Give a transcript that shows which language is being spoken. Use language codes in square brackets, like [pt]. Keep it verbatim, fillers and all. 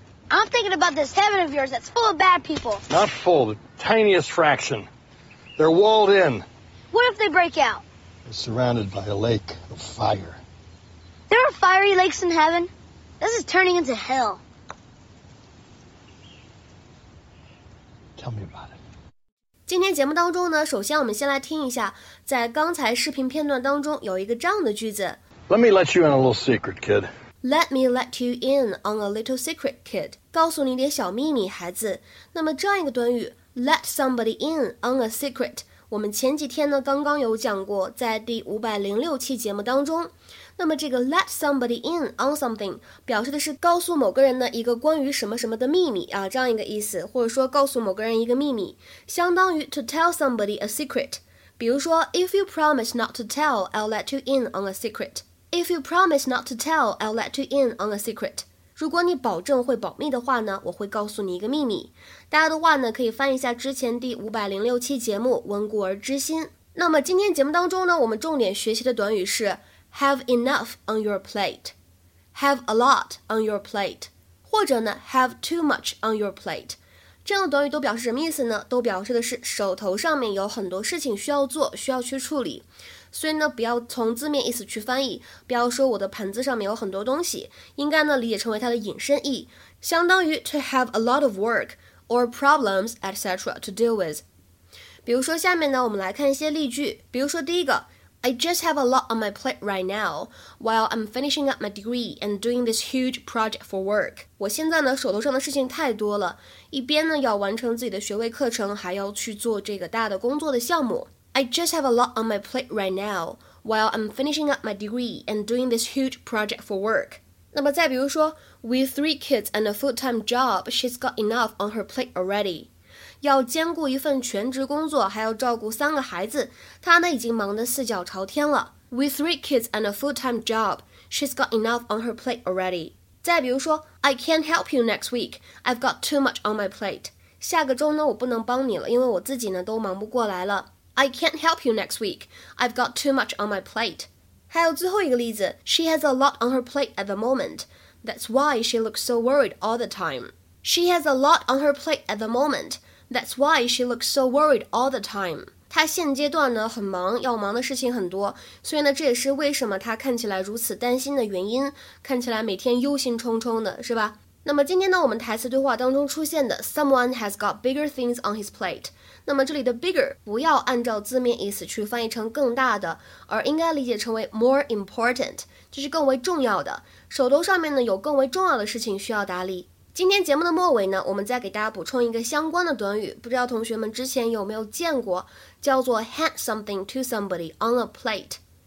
[en] I'm thinking about this heaven of yours that's full of bad people. Not full, the tiniest fraction. They're walled in. What if they break out? They're surrounded by a lake of fire. There are fiery lakes in heaven. This is turning into hell. Tell me about it. [zh] 今天节目当中呢，首先我们先来听一下，在刚才视频片段当中有一个这样的句子。 [en] Let me let you in a little secret, kid. Let me let you in on a little secret, kid. [zh] 告诉你点小秘密，孩子。那么这样一个短语 [en] let somebody in on a secret， [zh] 我们前几天呢刚刚有讲过，在第五百零六期节目当中。那么这个 [en] let somebody in on something [zh] 表示的是告诉某个人呢一个关于什么什么的秘密啊，这样一个意思，或者说告诉某个人一个秘密，相当于 [en] to tell somebody a secret。 [zh] 比如说 [en] if you promise not to tell, I'll let you in on a secret. If you promise not to tell, I'll let you in on a secret. [zh] 如果你保证会保密的话呢，我会告诉你一个秘密。大家的话呢可以翻一下之前第五百零六期节目《温故而知新》。那么今天节目当中呢，我们重点学习的短语是 [en] Have enough on your plate. Have a lot on your plate. 或者呢 have too much on your plate. [zh] 这样的短语都表示什么意思呢？都表示的是手头上面有很多事情需要做，需要去处理。所以呢，不要从字面意思去翻译，不要说我的盘子上面有很多东西，应该呢理解成为它的引申义，相当于 [en] to have a lot of work or problems et cetera to deal with. [zh] 比如说下面呢，我们来看一些例句。比如说第一个。 [en] I just have a lot on my plate right now while I'm finishing up my degree and doing this huge project for work. [zh] 我现在呢手头上的事情太多了，一边呢要完成自己的学位课程，还要去做这个大的工作的项目。 [en] I just have a lot on my plate right now while I'm finishing up my degree and doing this huge project for work. [zh] 那么再比如说 [en] With three kids and a full-time job, she's got enough on her plate already. [zh] 要兼顾一份全职工作，还要照顾三个孩子，她呢已经忙得四脚朝天了。 [en] With three kids and a full-time job, she's got enough on her plate already. [zh] 再比如说 [en] I can't help you next week. I've got too much on my plate. [zh] 下个周呢，我不能帮你了，因为我自己呢都忙不过来了。 [en] I can't help you next week. I've got too much on my plate. [zh] 还有最后一个例子 [en] She has a lot on her plate at the moment. That's why she looks so worried all the time. She has a lot on her plate at the moment. That's why she looks so worried all the time. [zh] 她现阶段呢很忙，要忙的事情很多，所以呢这也是为什么她看起来如此担心的原因，看起来每天忧心忡忡的，是吧？那么今天呢我们台词对话当中出现的 [en] Someone has got bigger things on his plate. [zh] 那么这里的 bigger 不要按照字面意思去翻译成更大的，而应该理解成为 [en] more important， [zh] 就是更为重要的，手头上面呢有更为重要的事情需要打理。今天节目的末尾呢，我们再给大家补充一个相关的短语，不知道同学们之前有没有见过，叫做 [en] hand something to somebody on a plate。